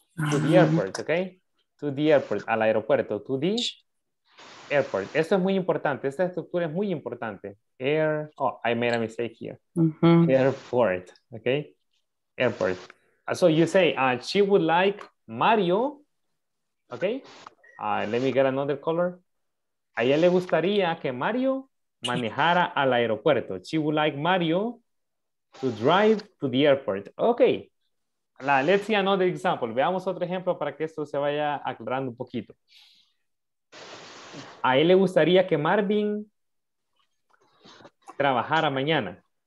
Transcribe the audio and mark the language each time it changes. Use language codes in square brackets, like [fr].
[en] To the airport, okay? To the airport, [es] al aeropuerto. [en] To the airport. [es] Esto es muy importante. Esta estructura es muy importante. Air. [en] Oh, I made a mistake here. Uh-huh. Airport, okay? Airport. So you say, she would like Mario, okay? Let me get another color. [es] A ella le gustaría que Mario manejara al aeropuerto. [en] She would like Mario to drive to the airport. Okay. Let's see another example. [es] Veamos otro ejemplo para que esto se vaya aclarando un poquito. A él le gustaría que Marvin trabajara mañana.